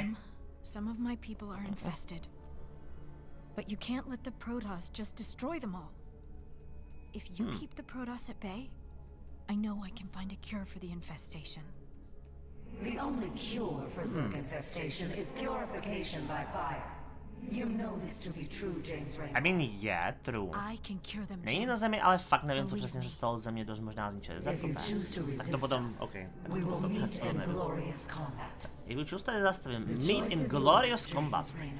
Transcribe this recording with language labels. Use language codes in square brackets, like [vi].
[en] Jim, some of my people are infested. But you can't let the Protoss just destroy them all. If you keep the Protoss at bay, I know I can find a cure for the infestation. The only cure for Zerg infestation is purification by fire. You know this to be true, James Raymond. I mean, yeah, true. I can cure them. [cs] Není na Zemi, ale fakt nevím, co přesně se stalo. Země dost možná zničili. Tak to potom, ok. [en] We will meet in glorious combat. If you choose to resist, we meet in glorious combat.